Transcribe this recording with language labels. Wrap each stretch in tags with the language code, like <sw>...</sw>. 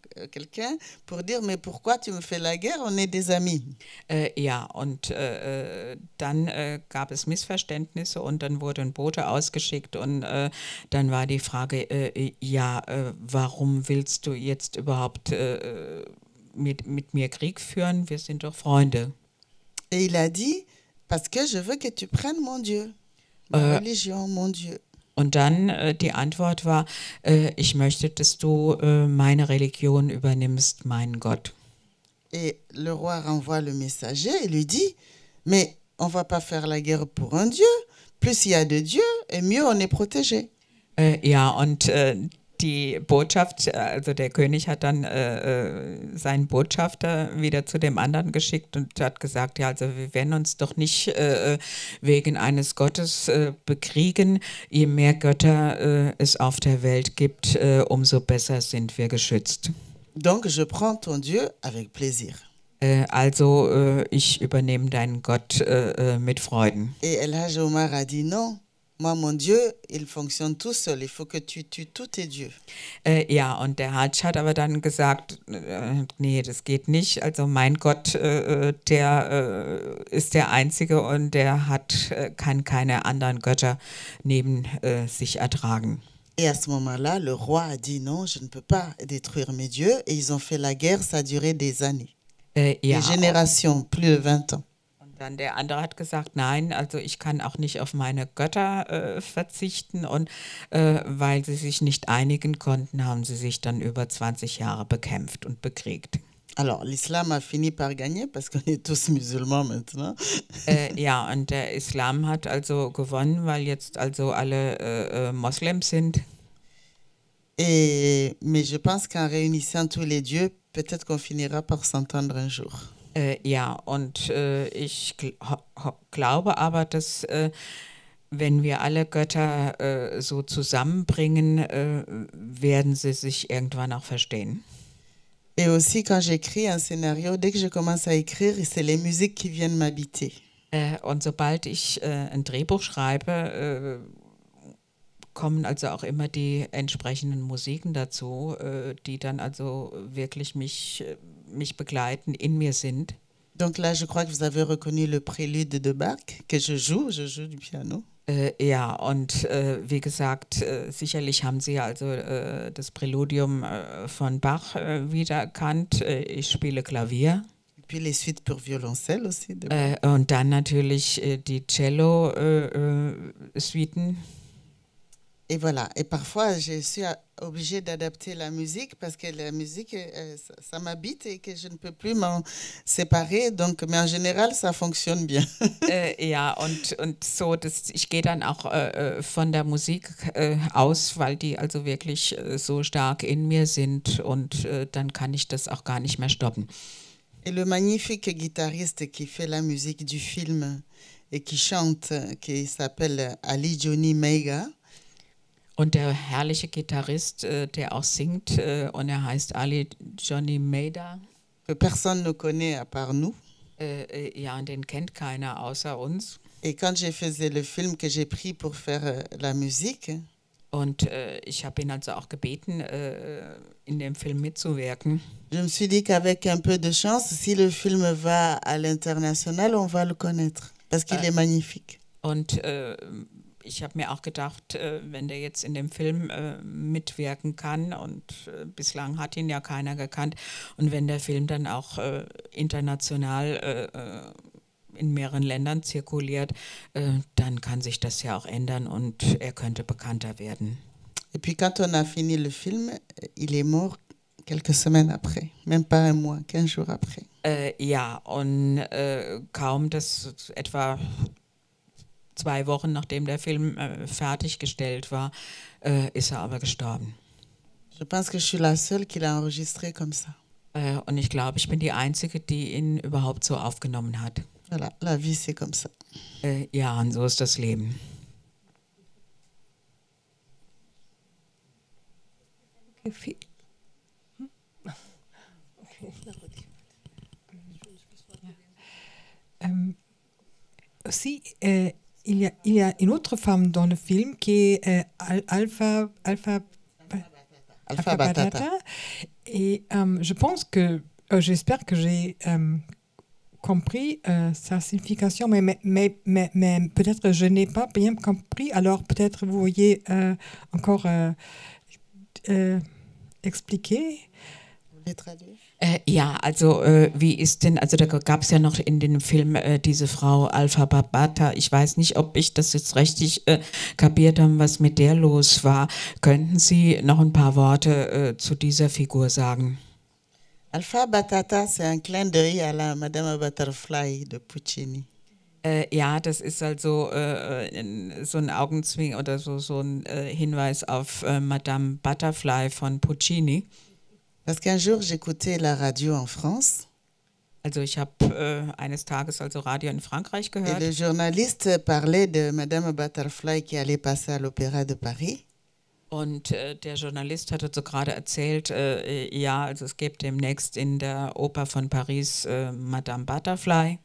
<fr>quelqu'un pour dire, mais pourquoi tu me fais la guerre? On est des amis.</fr> <de>Ja, und dann gab es Missverständnisse und dann wurde ein Bote ausgeschickt und dann war die Frage, ja, warum willst du jetzt überhaupt mit mir Krieg führen? Wir sind doch Freunde.</de> <fr>Et il a dit, parce que je veux que tu prennes mon Dieu, ma religion, mon Dieu.</fr> <de>Und dann die Antwort war, ich möchte, dass du meine Religion übernimmst, meinen Gott.</de> <fr>Et le roi renvoie le messager et lui dit, mais on va pas faire la guerre pour un Dieu. Plus il y a de Dieu, et mieux on est protégé.</fr> <de>Ja, und die Botschaft, also der König hat dann seinen Botschafter wieder zu dem anderen geschickt und hat gesagt, ja, also wir werden uns doch nicht wegen eines Gottes bekriegen. Je mehr Götter es auf der Welt gibt, umso besser sind wir geschützt.</de> <fr>Donc je prends ton Dieu avec plaisir.</fr> <de>Also ich übernehme deinen Gott mit Freuden.</de> <fr>Et El Hadj Omar a dit non. Moi, mon Dieu, il fonctionne tout seul. Il faut que tu tues tous tes dieux.</fr> <de>Ja, und der Hadj hat aber dann gesagt, nee, das geht nicht. Also mein Gott, der ist der Einzige und der hat kann keine anderen Götter neben sich ertragen.</de> <fr>Et à ce moment-là, le roi a dit non, je ne peux pas détruire mes dieux. Et ils ont fait la guerre, ça a duré des années,</fr> <de>ja,</de> <fr>des générations, plus de 20 ans.</fr> <de>Dann der andere hat gesagt, nein, also ich kann auch nicht auf meine Götter verzichten. Und weil sie sich nicht einigen konnten, haben sie sich dann über 20 Jahre bekämpft und bekriegt.</de> <fr>Alors, l'Islam a fini par gagner, parce qu'on est tous musulmans maintenant.</fr> <de>Ja, und der Islam hat also gewonnen, weil jetzt also alle Moslems sind.</de> <fr>Mais je pense qu'en réunissant tous les dieux, peut-être qu'on finira par s'entendre un jour.</fr> <de>Ja, und ich glaube aber, dass wenn wir alle Götter so zusammenbringen, werden sie sich irgendwann auch verstehen.</de> <fr>Et aussi quand j'écris un scénario, dès que je commence à écrire, c'est les musiques qui viennent m'habiter.</fr> <de>Und sobald ich ein Drehbuch schreibe, kommen also auch immer die entsprechenden Musiken dazu, die dann also wirklich mich begleiten, in mir sind.</de> <fr>Donc là, je crois que vous avez reconnu le prélude de Bach que je joue du piano.</fr> <de>Ja, und wie gesagt, sicherlich haben Sie also das Präludium von Bach wiedererkannt. Ich spiele Klavier.</de> <fr>Et puis les suites pour violoncelle aussi. De</fr> <de>und dann natürlich die Cello Suiten.</de> <fr>Et voilà. Et parfois, je suis obligée d'adapter la musique parce que la musique, ça m'habite et que je ne peux plus m'en séparer. Donc, mais en général, ça fonctionne bien.</fr> <de>Ja, und so, das, ich gehe dann auch von der Musik aus, weil die also wirklich so stark in mir sind und dann kann ich das auch gar nicht mehr stoppen.</de> <fr>Et le magnifique guitariste qui fait la musique du film et qui chante, qui s'appelle Ali Johnny Meiga.</fr> <de>Und der herrliche Gitarrist, der auch singt, und er heißt Ali Johnny Meida.</de> <fr>Personne ne connaît à part nous.</fr> <de>Ja, und den kennt keiner außer uns.</de> <fr>Et quand je faisais le film que j'ai pris pour faire la musique.</fr> <de>Und ich habe ihn also auch gebeten, in dem Film mitzuwirken.</de> <fr>Je me suis dit qu'avec un peu de chance, si le film va à l'international, on va le connaître, parce qu'il est magnifique.</fr> <de>Und ich habe mir auch gedacht, wenn der jetzt in dem Film mitwirken kann, und bislang hat ihn ja keiner gekannt, und wenn der Film dann auch international in mehreren Ländern zirkuliert, dann kann sich das ja auch ändern und er könnte bekannter werden.</de> <fr>Et puis quand on a fini le film, il est mort quelques semaines après, même pas un mois, 15 jours après.</fr> <de>Ja, und kaum das etwa 2 Wochen, nachdem der Film fertiggestellt war, ist er aber gestorben.</de> <fr>Je pense que je suis la seule qui l'a enregistré comme ça.</fr> <de>Und ich glaube, ich bin die Einzige, die ihn überhaupt so aufgenommen hat.</de> <fr>Voilà, la vie c'est comme ça.</fr> <de>Ja, und so ist das Leben.</de> <fr>Aussi, Il y a une autre femme dans le film qui est Alpha Batata. Et je pense que, j'espère que j'ai compris sa signification, mais peut-être que je n'ai pas bien compris, alors peut-être vous voyez encore expliquer.</fr> <de>Ja, also wie ist denn, also da gab es ja noch in dem Film diese Frau Alpha Babata, ich weiß nicht, ob ich das jetzt richtig kapiert habe, was mit der los war. Könnten Sie noch ein paar Worte zu dieser Figur sagen?</de> <fr>Alpha Babata, c'est un clin d'œil à la Madame Butterfly de Puccini.</fr> <de>Ja, das ist also so ein Augenzwinkern oder so ein Hinweis auf Madame Butterfly von Puccini.</de> <fr>Parce qu'un jour j'écoutais la radio en France.</fr> <de>Also ich habe eines Tages also Radio in Frankreich gehört.</de> <fr>Et le journaliste parlait de Madame Butterfly qui allait passer à l'Opéra de Paris.</fr> <de>Und der Journalist hat also gerade erzählt, ja, also es gibt demnächst in der Oper von Paris Madame Butterfly.</de>